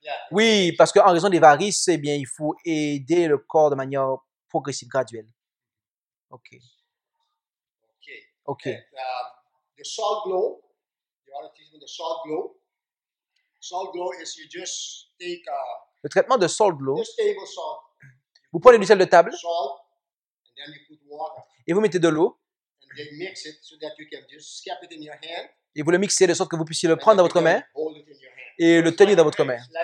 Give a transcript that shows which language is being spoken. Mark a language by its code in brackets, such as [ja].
[fr] Oui, parce qu'en raison des varices, eh bien, il faut aider le corps de manière progressive, graduelle. [en] OK. OK. OK. And, the salt glow, the other treatment, the salt glow. Salt glow is you just take a... [fr] Le traitement de salt glow. [en] Just table salt. [fr] Vous prenez du sel de table. [en] Salt, and then you put water. [fr] Et vous mettez de l'eau. [en] And then mix it so that you can just scrap it in your hand. [fr] Et vous le mixez de sorte que vous puissiez le prendre dans votre main et le tenir dans votre main.